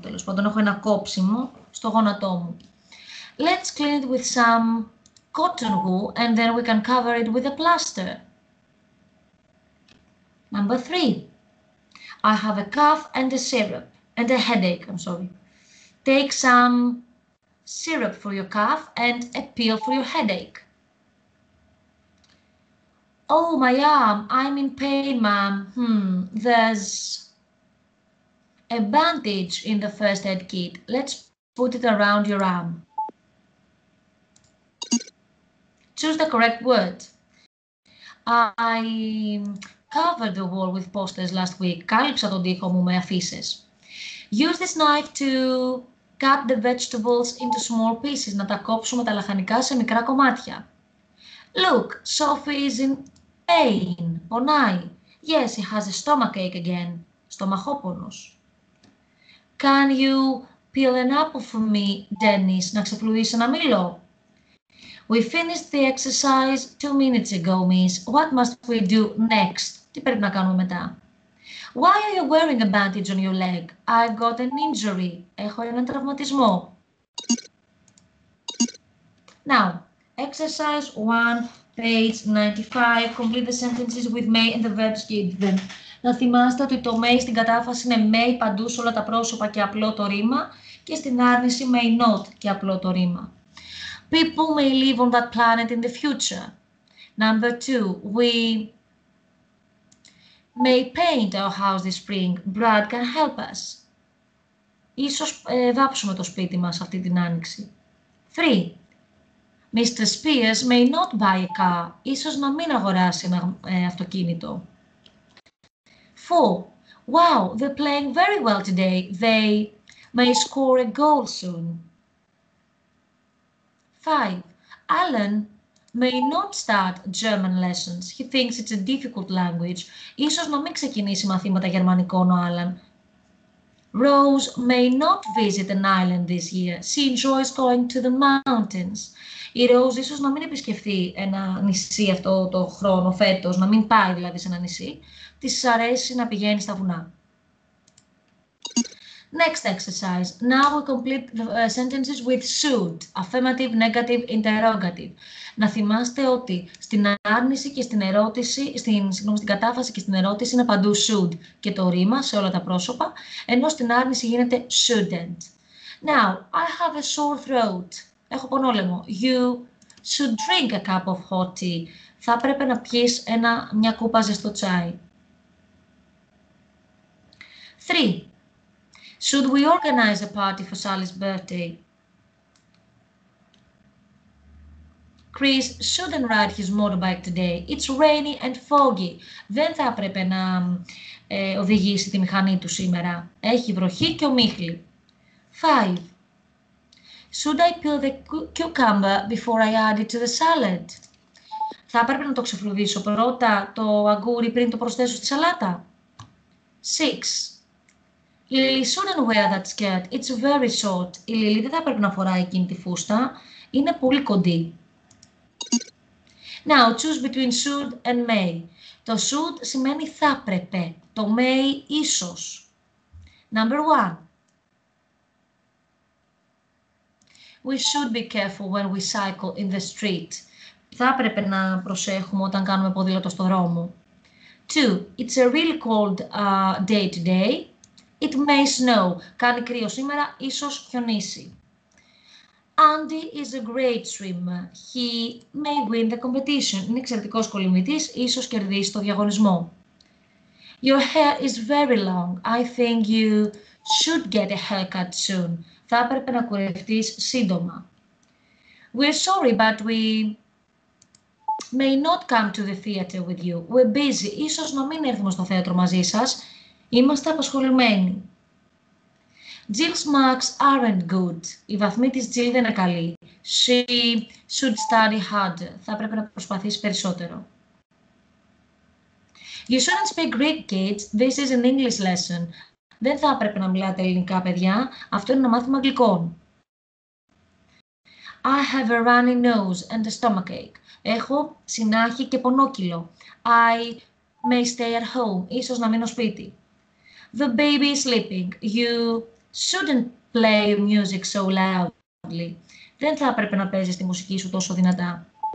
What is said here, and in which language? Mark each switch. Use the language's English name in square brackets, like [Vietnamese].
[Greek] Τέλος πάντων, έχω ένα κόψιμο στο γόνατό μου. [English] Let's clean it with some cotton wool and then we can cover it with a plaster. Number three, I have a cough and a syrup, and a headache, I'm sorry. Take some syrup for your cough and a pill for your headache. Oh, my arm, I'm in pain, ma'am. There's a bandage in the first aid kit. Let's put it around your arm. Choose the correct word. I covered the wall with posters last week. [Greek] Κάλυψα τον τοίχο μου με αφίσες. [English] Use this knife to cut the vegetables into small pieces. [Greek] Να τα κόψουμε τα λαχανικά σε μικρά κομμάτια. [English] Look, Sophie is in pain. [Greek] Πονάει. [English] Yes, he has a stomachache again. [Greek] Στομαχόπονος. [English] Can you peel an apple for me, Dennis? [Greek] Να ξεφλουείς ένα μήλο. [English] We finished the exercise 2 minutes ago, miss. What must we do next? [Greek] Τι πρέπει να κάνουμε μετά. [English] Why are you wearing a bandage on your leg? I got an injury. [Greek] Έχω έναν τραυματισμό. [English] Now, exercise 1, page 95. Complete the sentences with may and the verbs given. [Greek] Να θυμάστε ότι το may στην κατάφαση είναι may παντού σε όλα τα πρόσωπα και απλό το ρήμα και στην άρνηση may not και απλό το ρήμα. [English] People may live on that planet in the future. Number 2. We may paint our house this spring. Brad can help us. [Greek] Ίσως βάψουμε το σπίτι μας αυτή την άνοιξη. [English] 3. Mr. Spears may not buy a car. [Greek] Ίσως να μην αγοράσει ένα αυτοκίνητο. [English] 4. Wow, they're playing very well today. They may score a goal soon. 5. Alan may not start German lessons. He thinks it's a difficult language. [Greek] Ίσως να μην ξεκινήσει μαθήματα γερμανικών ο Alan. [English] Rose may not visit an island this year. She enjoys going to the mountains. [Greek] Η Rose ίσως να μην επισκεφθεί ένα νησί αυτό το χρόνο φέτος, να μην πάει δηλαδή σε ένα νησί. Της αρέσει να πηγαίνει στα βουνά. [English] Next exercise. Now we complete the sentences with should. Affirmative, negative, interrogative. [Greek] Να θυμάστε ότι στην άρνηση και στην ερώτηση, στην κατάφαση και στην ερώτηση είναι παντού should και το ρήμα σε όλα τα πρόσωπα, ενώ στην άρνηση γίνεται shouldn't. [English] Now, I have a sore throat. [Greek] Έχω πονόλαιμο. [English] You should drink a cup of hot tea. [Greek] Θα πρέπει να πιεις μια κούπα ζεστό τσάι. [English] 3. Should we organize a party for Sally's birthday? Chris shouldn't ride his motorbike today. It's rainy and foggy. [Greek] Δεν θα έπρεπε να οδηγήσει τη μηχανή του σήμερα. Έχει βροχή και ομίχλη. 5. [English] Should I peel the cucumber before I add it to the salad? [Greek] Θα έπρεπε να το ξεφλουδίσω πρώτα το αγγούρι πριν το προσθέσω στη σαλάτα. [English] 6. Lily shouldn't wear that skirt. It's very short. [Greek] Η Lily δεν θα πρέπει να φοράει εκείνη τη φούστα. Είναι πολύ κοντή. [English] Now, choose between should and may. [Greek] Το should σημαίνει θα πρέπει. Το may ίσως. [English] Number 1. We should be careful when we cycle in the street. [Greek] Θα πρέπει να προσέχουμε όταν κάνουμε ποδήλατο στο δρόμο. 2. [English] It's a really cold day today. It may snow. [Greek] Κάνει κρύο σήμερα, ίσως χιονίσει. [English] Andy is a great swimmer. He may win the competition. [Greek] Είναι εξαιρετικός κολυμβητής, ίσως κερδίσει το διαγωνισμό. [English] Your hair is very long. I think you should get a haircut soon. [Greek] Θα έπρεπε να κουρευτείς σύντομα. [English] We're sorry, but we may not come to the theater with you. We're busy. [Greek] Ίσως να μην έρθουμε στο θέατρο μαζί σας. Είμαστε απασχολημένοι. [English] Jill's marks aren't good. [Greek] Η βαθμή της Jill δεν είναι καλή. [English] She should study harder. [Greek] Θα πρέπει να προσπαθήσει περισσότερο. [English] You shouldn't speak Greek, kids. This is an English lesson. [Greek] Δεν θα πρέπει να μιλάτε ελληνικά, παιδιά. Αυτό είναι ένα μάθημα αγγλικών. [English] I have a runny nose and a stomachache. [Greek] Έχω συνάχη και πονόκυλο. [English] I may stay at home. [Greek] Ίσως να μείνω σπίτι. [English] The baby is sleeping. You shouldn't play music so loudly. [Greek] Δεν θα έπρεπε να παίζεις τη μουσική σου τόσο δυνατά.